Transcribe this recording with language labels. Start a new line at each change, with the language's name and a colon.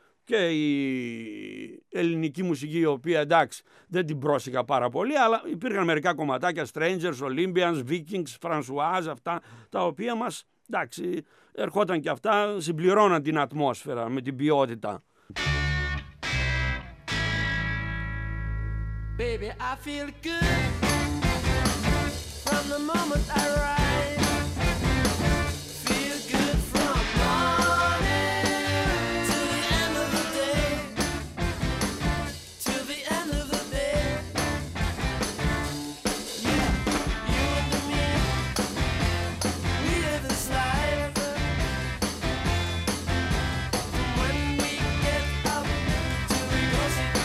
Greek: Και η ελληνική μουσική, η οποία εντάξει δεν την πρόσεχα πάρα πολύ, αλλά υπήρχαν μερικά κομματάκια, Strangers, Olympians, Vikings, Francoise, αυτά τα οποία μας, εντάξει, ερχόταν και αυτά, συμπληρώναν την ατμόσφαιρα με την ποιότητα.
English: Baby, I feel good from the moment I arrive. Feel good from morning to the end of the day. To the end of the day. You and me, we live this life. When we get up to the ghost